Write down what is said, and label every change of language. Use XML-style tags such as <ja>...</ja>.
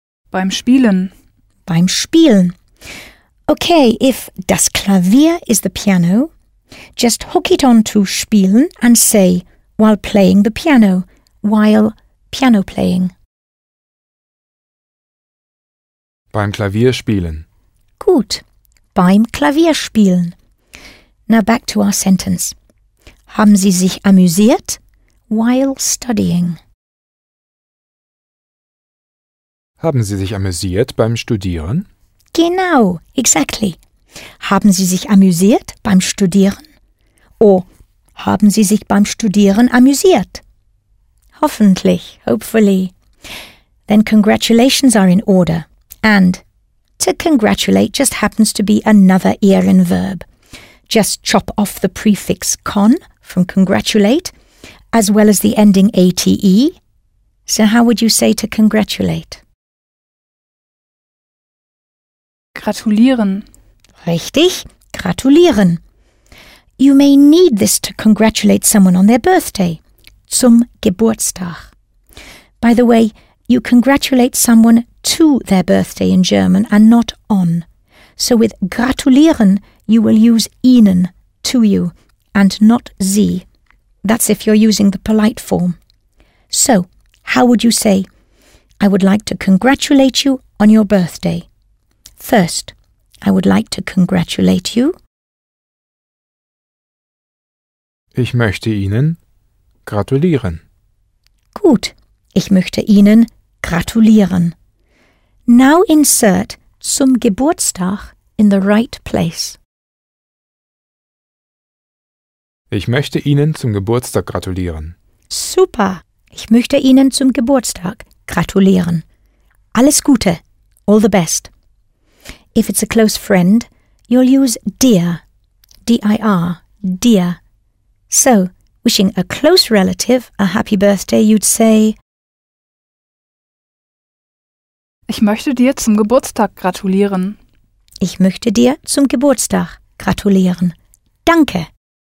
<de>Beim spielen. Beim spielen.</de> <en>Okay, if</en> <de>das Klavier</de> <en>is the piano, just hook it on to spielen and say, while playing the piano, while piano playing.</en> <de>Beim Klavier spielen. Gut, beim Klavier spielen.</de> <en>Now back to our sentence.</en> <de>Haben Sie sich amüsiert</de> <en>while studying?</en> <de>Haben Sie sich amüsiert beim Studieren? Genau,</de> <en>exactly.</en> <de>Haben Sie sich amüsiert beim Studieren? Or haben Sie sich beim Studieren amüsiert? Hoffentlich,</de> <en>hopefully. Then congratulations are in order. And to congratulate just happens to be another Ehren verb. Just chop off the prefix con from congratulate, as well as the ending ate. So how would you say to congratulate?</en> <de>Gratulieren. Richtig, gratulieren.</de> <en>You may need this to congratulate someone on their birthday.</en> <de>Zum Geburtstag.</de> <en>By the way, you congratulate someone to their birthday in German and not on. So with gratulieren, you will use Ihnen, to you, and not Sie. That's if you're using the polite form. So, how would you say, I would like to congratulate you on your birthday? First, I would like to congratulate you.</en> <de>Ich möchte Ihnen gratulieren. Gut, ich möchte Ihnen gratulieren.</de> <en>Now insert</en> <de>zum Geburtstag</de> <en>in the right place.</en> <de>Ich möchte Ihnen zum Geburtstag gratulieren. Super, ich möchte Ihnen zum Geburtstag gratulieren. Alles Gute,</de> <en>all the best. If it's a close friend, you'll use dear, D-I-R, dear. So, wishing a close relative a happy birthday, you'd say,</en> <de>Ich möchte dir zum Geburtstag gratulieren. Ich möchte dir zum Geburtstag gratulieren. Danke.</de>